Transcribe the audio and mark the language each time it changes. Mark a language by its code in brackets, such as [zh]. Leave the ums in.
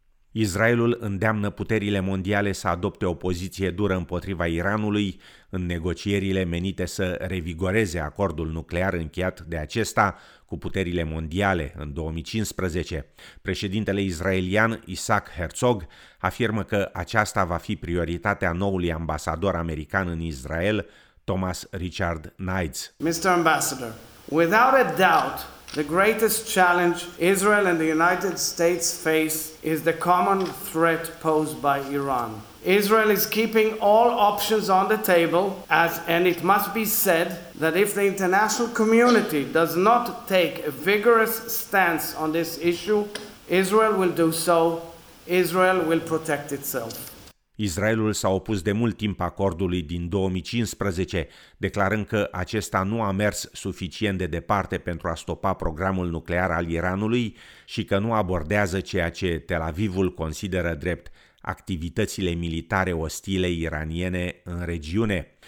[ro] Israelul îndeamnă puterile mondiale să adopte o poziție dură împotriva Iranului în negocierile menite să revigoreze acordul nuclear încheiat de acesta cu puterile mondiale în 2015. Președintele israelian Isaac Herzog afirmă că aceasta va fi prioritatea noului ambasador american în Israel, Thomas Richard Knights. [en] Mr. Ambassador, without a doubt, the greatest challenge Israel and the United States face is the common threat posed by Iran. Israel is keeping all options on the table, as, and it must be said that if the international community does not take a vigorous stance on this issue, Israel will do so. Israel will protect itself. [ro] Israelul s-a opus de mult timp acordului din 2015, declarând că acesta nu a mers suficient de departe pentru a stopa programul nuclear al Iranului și că nu abordează ceea ce Tel Avivul consideră drept activitățile militare ostile iraniene în regiune.